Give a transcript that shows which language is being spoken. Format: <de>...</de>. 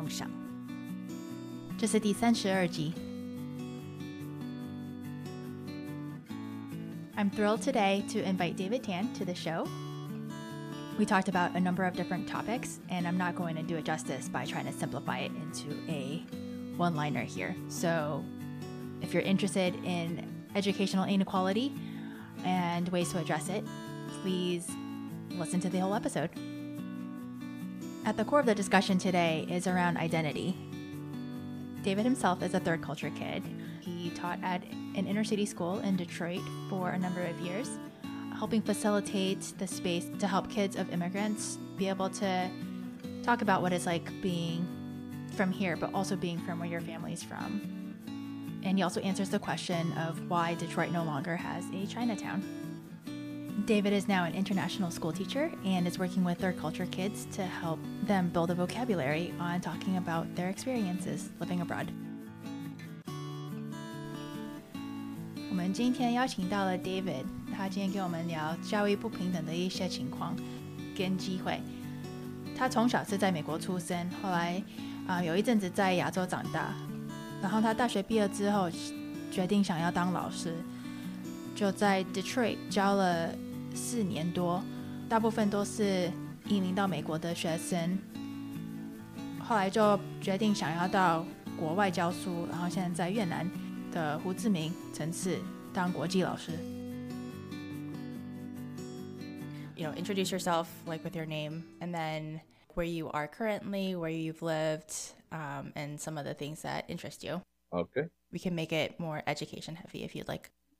<zh>大家好，欢迎收听台湾人网络广播。我是阿秀，用这个平台来跟华侨华裔的台湾人聊他们的生活过程和未来的梦想。这是第32集。</zh> <en>I'm thrilled today to invite David Tan to the show. We talked about a number of different topics, and I'm not going to do it justice by trying to simplify it into a one-liner here. So if you're interested in educational inequality and ways to address it, please listen to the whole episode. At the core of the discussion today is around identity. David himself is a third culture kid. He taught at an inner city school in Detroit for a number of years, helping facilitate the space to help kids of immigrants be able to talk about what it's like being from here, but also being from where your family's from. And he also answers the question of why Detroit no longer has a Chinatown. David is now an international school teacher and is working with third culture kids to help them build a vocabulary on talking about their experiences living abroad.</en> <zh>我们今天邀请到了David， 他今天给我们聊教育不平等的一些情况跟机会。他从小是在美国出生， 后来有一阵子在亚洲长大， 然后他大学毕业之后 决定想要当老师， 就在Detroit教了4年多， 大部分都是移民到美国的学生， 后来就决定想要到国外教书， 然后现在在越南的胡志明城市。</zh> <en>You know, introduce yourself, like, with your name, and then where you are currently, where you've lived, and some of the things that interest you. Okay. We can make it more education heavy if you'd like.</en>